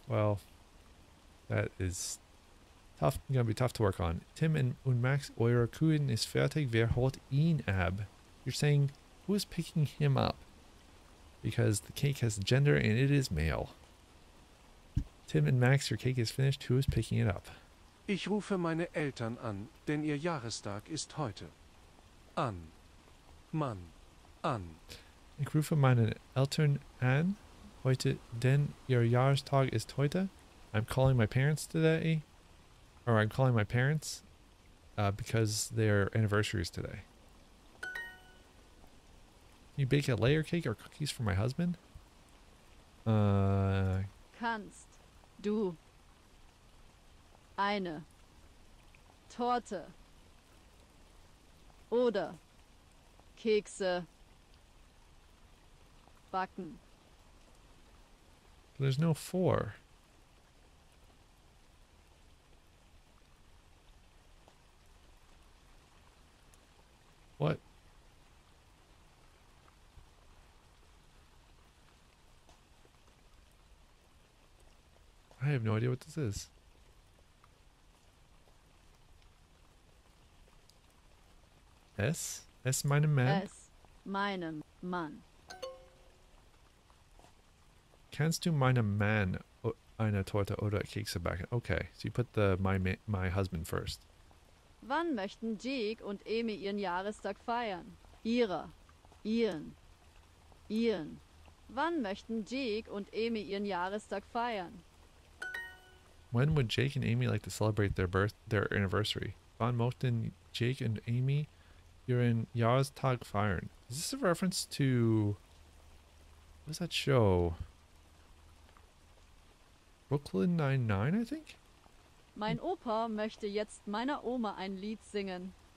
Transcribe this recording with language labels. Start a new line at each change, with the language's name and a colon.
English: Well, that is tough. Gonna be tough to work on.
German: Tim und Max, euer Kuchen ist fertig. Wer holt ihn ab?
English: You're saying who is picking him up? Because the cake has a gender and it is male. Tim and Max, your cake is finished. Who is picking it up?
German: Ich rufe meine Eltern an, denn ihr Jahrestag ist heute. An. Mann. An. Ich rufe meine Eltern an, heute, denn ihr Jahrestag ist heute.
English: I'm calling my parents today. Or I'm calling my parents because their anniversary is today. You bake a layer cake or cookies for my husband?
German: Kannst du eine Torte oder Kekse backen?
English: There's no four. What? I have no idea what this is.
German: Es meinem Mann. Es meinem Mann. K Kannst du meine Mann eine Torte oder Kekse backen?
English: Okay, so you put the my husband first.
German: Wann möchten Jake und Amy ihren Jahrestag feiern? Ihren. Wann möchten Jake und Amy ihren Jahrestag feiern?
English: When would Jake and Amy like to celebrate their anniversary?
German: Wann möchten Jake und Amy ihren Jahrestag feiern?
English: Is this a reference to... What is that show? Brooklyn Nine-Nine, I think?
German: Mein Opa möchte jetzt meiner Oma ein Lied singen.